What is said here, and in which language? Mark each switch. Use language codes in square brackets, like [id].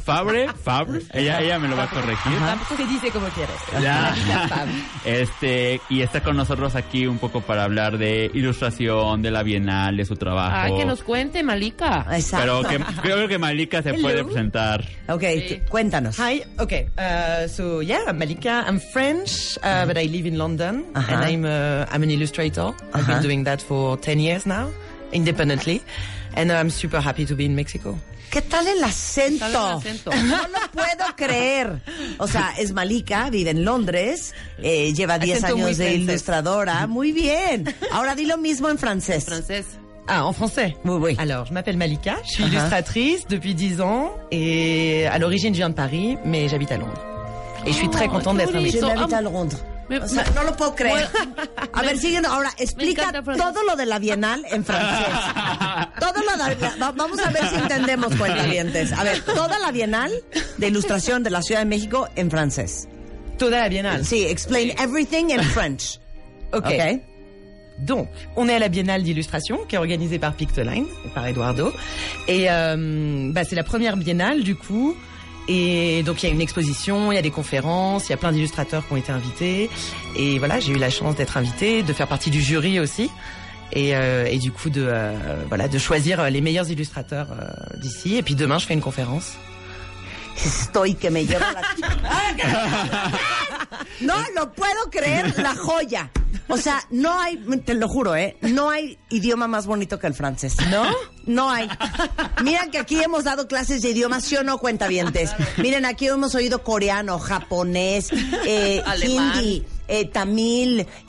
[es] Fabre. Ella me lo va a corregir. Se dice como quieres. Ya. Y está con nosotros aquí un poco para hablar de ilustración, de la Bienal, de su trabajo. Ay, que nos cuente Malika. Exacto. Pero que, creo que Malika se puede presentar. Ok, sí. Cuéntanos. [en] Hi, ok. Malika, I'm French, but I live in London. Uh-huh. And I'm an illustrator. Uh-huh. I've been doing that for 10 years now, independently. And I'm super happy to be in Mexico. [es] ¿Qué tal el acento? No lo puedo creer. O sea, es Malika, vive en Londres, lleva 10 años de ilustradora. Muy bien. Ahora di lo mismo en francés. En francés. [fr] Ah, en français. Oui. Alors, je m'appelle Malika, je suis illustratrice depuis 10 ans et à l'origine je viens de Paris, mais j'habite à Londres. Et je suis très contente d'être en Mexico. J'habite à Londres. [es] O sea, no lo puedo creer. A ver, siguiendo. Ahora, explica todo lo de la Bienal en francés. Todo lo de vamos a ver si entendemos, cuentavientes. A ver, toda la Bienal de Ilustración de la Ciudad de México en francés. Toda la Bienal. [en] Sí, explain everything in French. Ok. Ok. [fr] Donc, on est à la Biennale d'illustration qui est organisée par Pictoline, par Eduardo. Et c'est la première Biennale, du coup. Et donc, il y a une exposition, il y a des conférences, il y a plein d'illustrateurs qui ont été invités. Et voilà, j'ai eu la chance d'être invitée, de faire partie du jury aussi. Et du coup, de choisir les meilleurs illustrateurs d'ici. Et puis demain, je fais une conférence. [es] Estoy que me llevo la No lo puedo creer, la joya. O sea, no hay, te lo juro, no hay idioma más bonito que el francés. ¿No? No hay. Mira que aquí hemos dado clases de idiomas, ¿sí o no, cuentavientes? Miren, aquí hemos oído coreano, japonés, hindi, tamil,